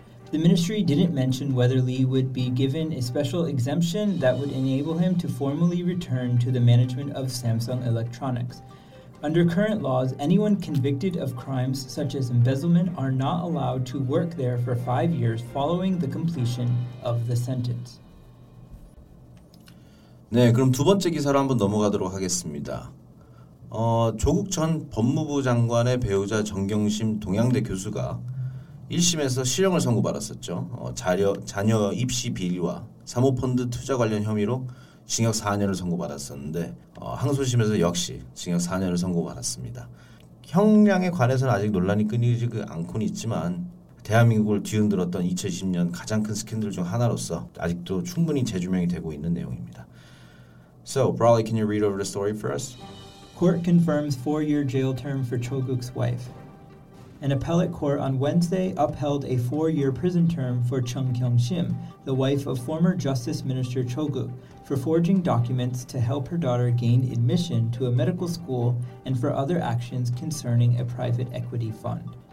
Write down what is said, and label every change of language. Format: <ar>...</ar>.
<en>The ministry didn't mention whether Lee would be given a special exemption that would enable him to formally return to the management of Samsung Electronics. Under current laws, anyone convicted of crimes such as embezzlement are not allowed to work there for 5 years following the completion of the sentence.</en> <ko>네, 그럼 두 번째 기사로 한번 넘어가도록 하겠습니다. 조국 전 법무부 장관의 배우자 정경심 동양대 교수가 1심에서 실형을 선고받았었죠. 자녀 입시 비리와 사모펀드 투자 관련 혐의로 징역 4년을 선고받았었는데 항소심에서 역시 징역 4년을 선고받았습니다. 형량에 관해서는 아직 논란이 끊이지 않고는 있지만 대한민국을 뒤흔들었던 2020년 가장 큰 스캔들 중 하나로서 아직도 충분히 재조명이 되고 있는 내용입니다.</ko> <en>So, Brawley, can you read over the story for us? Court confirms 4-year jail term for Cho Guk's wife. An appellate court on Wednesday upheld a 4-year prison term for Chung Kyung-shim, the wife of former Justice Minister Cho Guk, for forging documents to help her daughter gain admission to a medical school and for other actions concerning a private equity fund.</en>